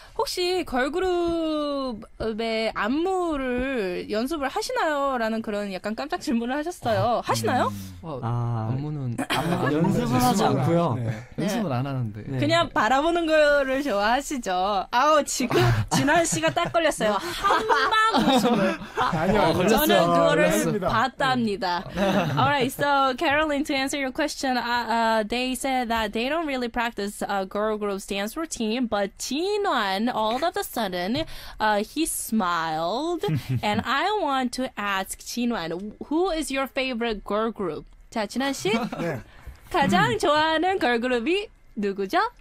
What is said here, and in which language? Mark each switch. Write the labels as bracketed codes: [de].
[ko] 혹시 걸그룹의 안무를 연습을 하시나요? 라는 그런 약간 깜짝 질문을 하셨어요. 하시나요? 아, 안무는 연습을 하지 않고요. 네. 연습은 안 하는데. 네. 그냥 바라보는 거를 좋아하시죠. 아우 지금 진환 씨가 딱 걸렸어요. 한방 웃음. 아니요, 걸렸어요. 저는 그거를 봤답니다. [en] Alright, so Caroline, to answer your question, they said that they don't really practice a girl group's dance routine, but 진환, all of a sudden, he smiled, and I want to ask 진환, who is your favorite girl group? [ko] 자, 진환 씨, 네. 가장 좋아하는 걸 그룹이 누구죠?